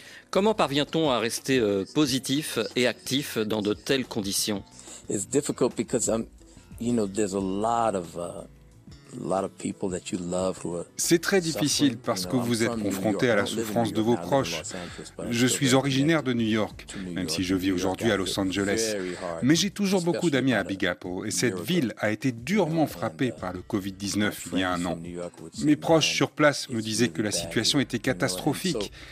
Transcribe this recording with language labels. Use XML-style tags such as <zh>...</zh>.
<fr>Comment parvient-on à rester positif et actif dans de telles conditions?</fr> <en>It's difficult because there's a lot of people that you love who are...</en> <fr>C'est très difficile parce que vous êtes confronté à la souffrance de vos proches. Je suis originaire de New York, même si je vis aujourd'hui à Los Angeles. Mais j'ai toujours beaucoup d'amis à Big Apple et cette ville a été durement frappée par le Covid-19 il y a un an. Mes proches sur place me disaient que la situation était catastrophique.</fr>